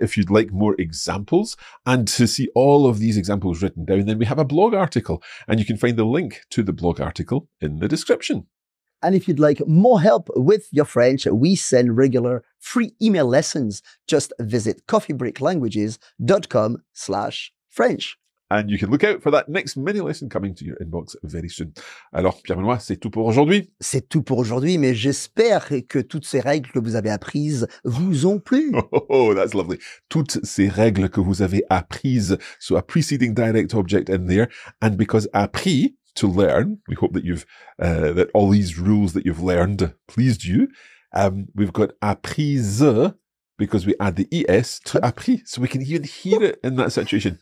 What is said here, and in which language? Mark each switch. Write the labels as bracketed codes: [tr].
[en] If you'd like more examples and to see all of these examples written down, then we have a blog article and you can find the link to the blog article in the description. And if you'd like more help with your French, we send regular free email lessons. Just visit coffeebreaklanguages.com/French. And you can look out for that next mini lesson coming to your inbox very soon. [fr] Alors, Pierre-Benoît, c'est tout pour aujourd'hui. C'est tout pour aujourd'hui, mais j'espère que toutes ces règles que vous avez apprises vous ont plu. [en] Oh, oh, oh, that's lovely. [fr] Toutes ces règles que vous avez apprises, [en] so a preceding direct object in there, and because appris, to learn, we hope that that all these rules that you've learned pleased you, we've got apprise, because we add the ES to appris, so we can even hear it in that situation.